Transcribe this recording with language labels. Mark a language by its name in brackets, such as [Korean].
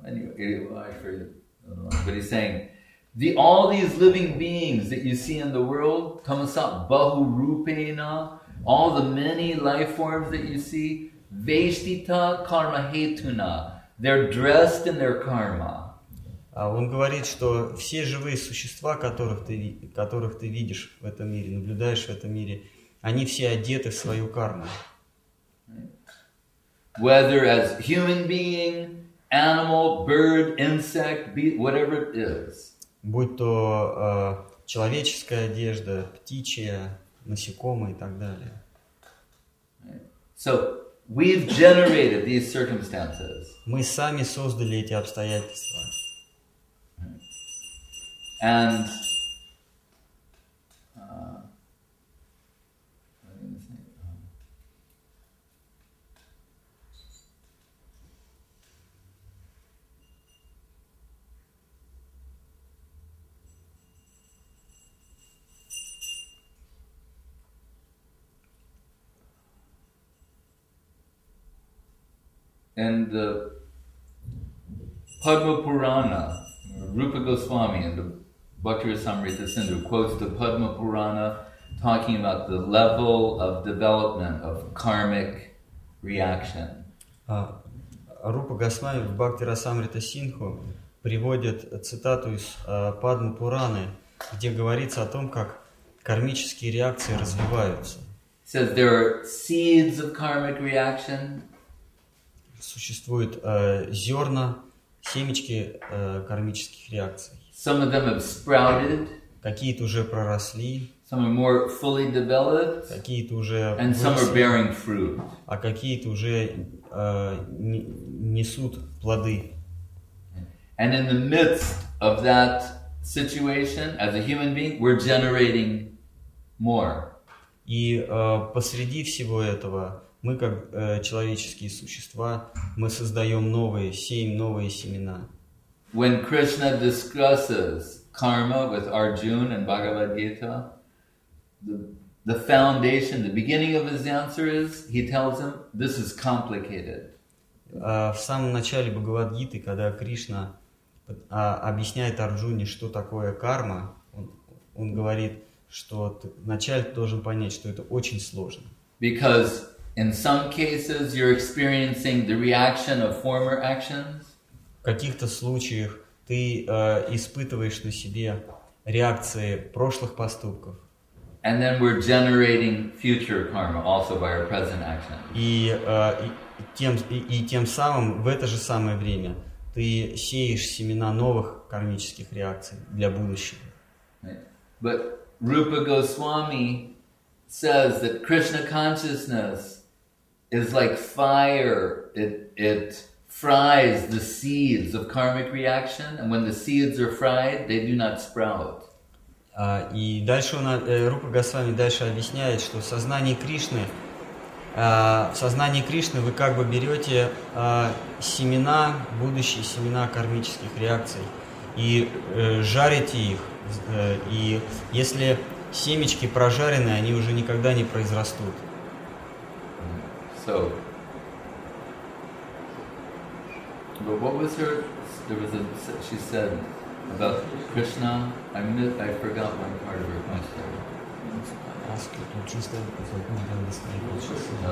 [English] Anyway, I forget, but he's saying, all these living beings that you see in the world, [Sanskrit] tamasat bahu rupena, [English] all the many life forms that you see, [Sanskrit] veshtita karma hetuna, [English] they're dressed in their karma. [Russian] Он говорит, что все живые существа, которых ты видишь в этом мире, наблюдаешь в этом мире, они все одеты в свою карму. [English] Whether as human being, animal, bird, insect, beast, whatever it is. [Russian] Будь то человеческая одежда, птичья, насекомые и так далее. [English] So we've generated these circumstances. [Russian] Мы сами создали эти обстоятельства. [English] And in the Padma Purana, Rupa Goswami in the Bhaktirasamrita Sindhu quotes the Padma Purana talking about the level of development of karmic reaction. [Russian] Rupa Goswami в Бхактирасамрита Синху приводит цитату из Падма Пураны, где говорится о том, как кармические реакции развиваются. [English] It says there are seeds of karmic reaction. [Russian] Существуют зерна, семечки кармических реакций. [English] Some of them have sprouted. [Russian] Какие-то уже проросли. [English] Some are more fully developed. [Russian] Какие-то уже выросли. [English] And some are bearing fruit. [Russian] А какие-то уже несут плоды. [English] And in the midst of that situation, as a human being, we're generating more. [Russian] И посреди всего этого мы, как человеческие существа, мы создаем новые, сеем новые семена. [English] When Krishna discusses karma with Arjuna in Bhagavad Gita, the foundation, the beginning of his answer is, he tells him, this is complicated. [Russian] В самом начале Бхагавад Гиты, когда Кришна объясняет Арджуне, что такое карма, он говорит, что вначале ты должен понять, что это очень сложно. [English] Because in some cases, you're experiencing the reaction of former actions. [Russian] В каких-то случаях ты испытываешь на себе реакции прошлых поступков. [English] And then we're generating future karma also by our present actions. [Russian] И тем самым в это же самое время ты сеешь семена новых кармических реакций для будущего. [English] Right. But Rupa Goswami says that Krishna consciousness is like fire. It fries the seeds of karmic reaction, and when the seeds are fried, they do not sprout. [Russian] И дальше он, Рупа Госвами дальше объясняет, что сознание Кришны, в сознании Кришны вы как бы берете семена, будущие семена кармических реакций, и жарите их, и если семечки прожарены, они уже никогда не произрастут. [English] So, but what was her, there was a, she said about Krishna, I forgot one part of her question. Ask it, what she said, if I can't understand what she said.